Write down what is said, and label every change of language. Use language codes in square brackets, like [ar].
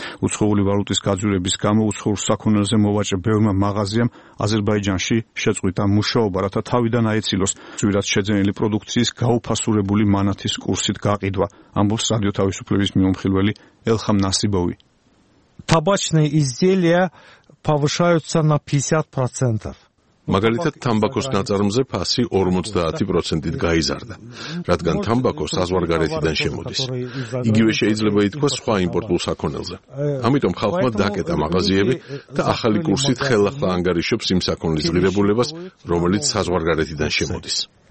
[ka] უცხოური ვალუტის გაძვირების გამო უცხოურ საქონელზე მოვაჭრე ბევრმა მაღაზიამ აზერბაიჯანში შეწყვიტა მუშაობა, რათა თავიდან აეცილოს ძვირად შეძენილი პროდუქციის გაუფასურებული მანათის კურსით გაყიდვა, ამბობს რადიო თავისუფლების მიმომხილველი ელხამ ნასიბოვი. [ru] Табачные изделия повышаются на 50%. [ka] მაგალითად, თამბაქოს ნაწარმზე ფასი 50%-ით გაიზარდა, რადგან თამბაქო საზღვარგარეთიდან შემოდის. იგივე შეიძლება ითქვას სხვა იმპორტულ საქონელზე. ამიტომ ხალხმა დაკეტა მაღაზიები და ახალი კურსით ხელახლა ანგარიშობს იმ საქონლის ღირებულებას, რომელიც საზღვარგარეთიდან შემოდის.